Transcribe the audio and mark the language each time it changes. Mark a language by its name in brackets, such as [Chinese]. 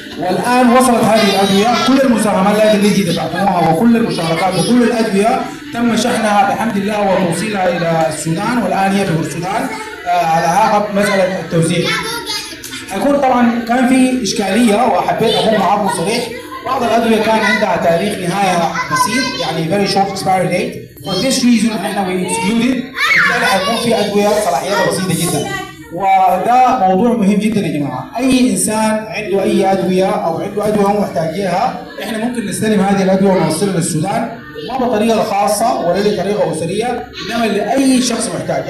[Arabic] والآن وصلت هذه الأدوية، كل المساهمات التي دفعتموها وكل المشاركات وكل الأدوية تم شحنها بحمد الله وتوصيلها إلى السودان، والآن هي في السودان على عقب مسألة التوزيع. أقول طبعاً كان في إشكالية وحبيت أكون معكم صريح. بعض الأدوية كان عندها تاريخ نهاية بسيط، يعني [English] very short expiry date. For this reason [Arabic] إحنا [English] we excluded. [Arabic] إذن أكون في أدوية صلاحيات بسيطة جداً. وده موضوع مهم جدا يا جماعه. اي انسان عنده اي ادويه او عنده ادويه محتاجيها، احنا ممكن نستلم هذه الادويه ونوصلها للسودان، ما بطريقه خاصه ولا بطريقه اسريه، انما لاي شخص محتاج.